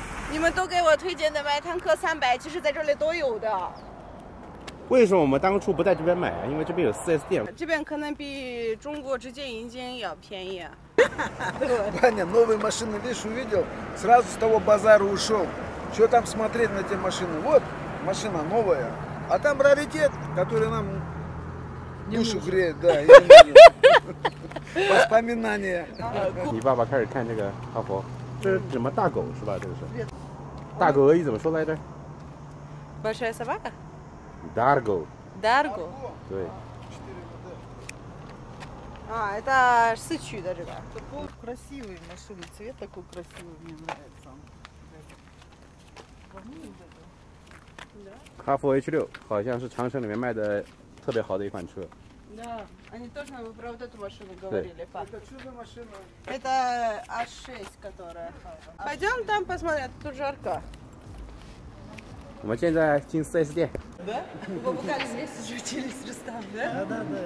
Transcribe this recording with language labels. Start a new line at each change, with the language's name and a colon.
Chinese: 你们都给我推荐的迈坦克300，其实在这里都有的。为什么我们当初不在这边买啊？因为这边有 4S 店，这边可能比中国直接银监要便宜啊。
Russian: Ваня, новые машины, видишь, увидел, сразу с того базара ушел. Что там смотреть на эти машины? Вот, машина новая. А там раритет, который нам душу греет, да. Воспоминания.
Chinese: 你爸爸开始看这个哈佛，这是什么大狗是吧？这个是大狗俄语怎么说来着？
Russian: Большая собака. Дарго. Дарго.
Chinese: 对。
Russian: А, это Сычу, да, ребят? Красивый машины, цвет такой красивый, мне нравится.
Chinese: Хафу H6, 好像是长城里面卖的特别好的一款车.
Russian: Да, они тоже про вот эту машину говорили, папа. Это чудо машина. Это H6, которая... Пойдем там посмотреть, тут жарко.
Chinese: 我们现在进 4S 店。我不干 4S 就进了 4S 店，对。